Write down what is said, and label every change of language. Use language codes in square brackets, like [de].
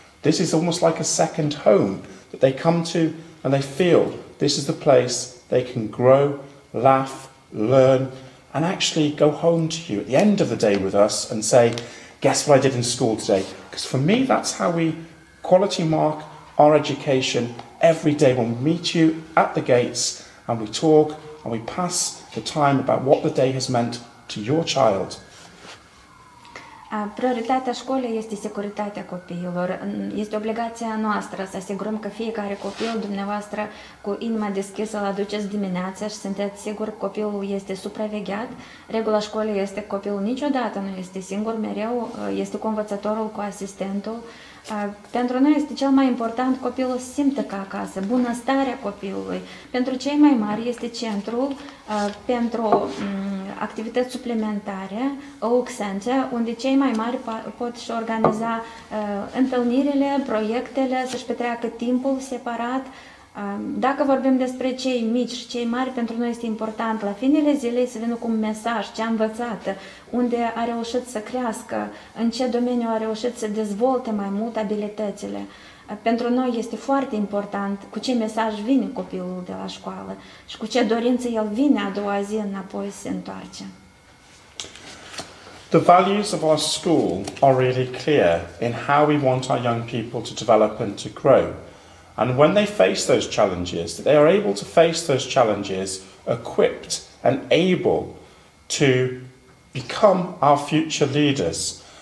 [en] This is almost like a second home that they come to and they feel this is the place they can grow, laugh, learn, and actually go home to you at the end of the day with us and say, guess what I did in school today? Because for me, that's how we quality mark our education every day, when we meet you at the gates and we talk and we pass the time about what the day has meant to your child. [ro] Prioritatea școlii este securitatea copiilor. Este obligația noastră să asigurăm că fiecare copil dumneavoastră cu inima deschisă îl aduceți dimineața și sunteți sigur că copilul este supravegheat. Regula școlii este că copilul niciodată nu este singur, mereu este cu învățătorul, cu asistentul. Pentru noi este cel mai important copilul să simtă ca acasă, bunăstarea copilului. Pentru cei mai mari este centrul pentru activități suplimentare, Oak Center, unde cei mai mari pot și organiza întâlnirile, proiectele, să-și petreacă timpul separat. Dacă vorbim despre cei mici și cei mari, pentru noi este important la finele zilei să vină cu un mesaj, ce a învățat, unde a reușit să crească, în ce domeniu a reușit să dezvolte mai mult abilitățile. Pentru noi este foarte important cu ce mesaj vine copilul de la școală și cu ce dorință el vine a doua zi înapoi să se întoarce. [en] The values of our school are really clear in how we want our young people to develop and to grow. And when they face those challenges, they are able to face those challenges equipped and able to become our future leaders.